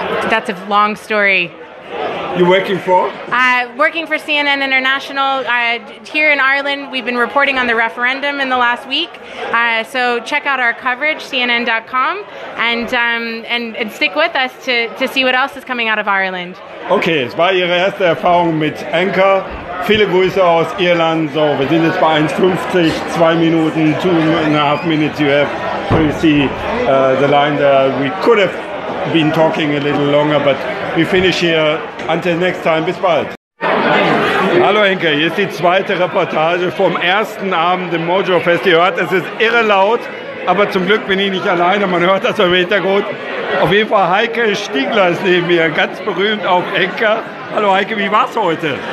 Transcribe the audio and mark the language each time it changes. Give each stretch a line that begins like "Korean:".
English: That's a long story. You're working for? Working for CNN International. Here in Ireland, we've been reporting on the referendum in the last week. So check out our coverage, CNN.com, and stick with us to see what else is coming out of Ireland.
German: Okay, es war Ihre erste Erfahrung mit Anchor. Viele Grüße aus Irland. So, wir sind jetzt bei 1:50, 2 Minuten, 2.5 minutes.
English: You have to see the line there. We could have been talking a little longer, but we finish here. Until next time,
German: bis bald. Hallo Henke, hier ist die zweite Reportage vom ersten Abend im Mojo Fest. Ihr hört, es ist irre laut, aber zum Glück bin ich nicht alleine. Man hört das im Hintergrund. Auf jeden Fall Heike Stiegler ist neben mir, ganz berühmt auf Henke. Hallo Heike, wie war's heute?